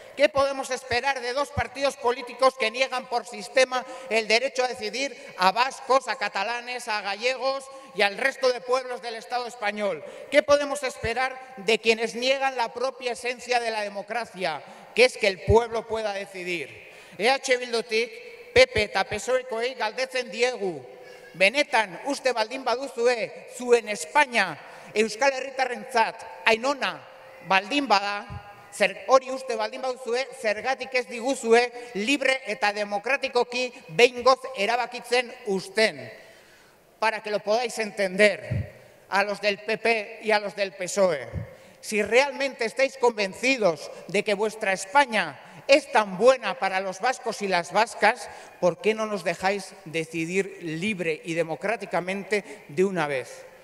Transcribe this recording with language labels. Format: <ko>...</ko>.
<es>¿Qué podemos esperar de dos partidos políticos que niegan por sistema el derecho a decidir a vascos, a catalanes, a gallegos y al resto de pueblos del Estado español? ¿Qué podemos esperar de quienes niegan la propia esencia de la democracia, que es que el pueblo pueda decidir?</es> <eu>EH Bildutik, PP eta PSOEkoei galdetzen diegu. Benetan, uste baldin baduzue, zuen España, Euskal Herritarrentzat, ainona, baldin bada, hori uste baldin baduzue, zergatik ez diguzue libre eta demokratikoki behingoz erabakitzen usten.</eu> <es>Para que lo podáis entender a los del PP y a los del PSOE. Si realmente estáis convencidos de que vuestra España es tan buena para los vascos y las vascas, ¿por qué no nos dejáis decidir libre y democráticamente de una vez?</es>